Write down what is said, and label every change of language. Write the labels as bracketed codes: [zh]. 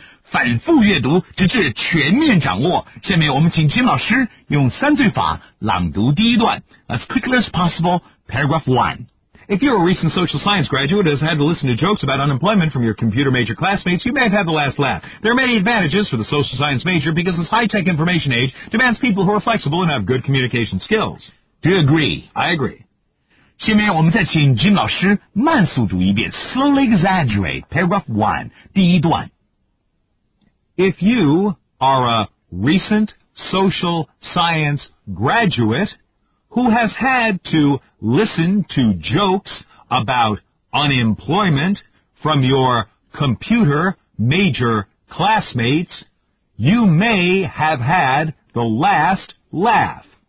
[zh] 反复阅读直至全面掌握。下面我们请金老师用三句法朗读第一段 [en] as quickly as possible, paragraph 1. If you're a recent social science graduate who has had to listen to jokes about unemployment from your computer major classmates, you may have had the last laugh. There are many advantages for the social science major because this high-tech information age demands people who are flexible and have good communication skills. Do you agree? I agree. [zh] 下面我们再请金老师慢速读一遍 [en] slowly exaggerate, paragraph 1, [zh] 第一段. [en] If you are a recent social science graduate who has had to listen to jokes about unemployment from your computer major classmates, you may have had the last laugh.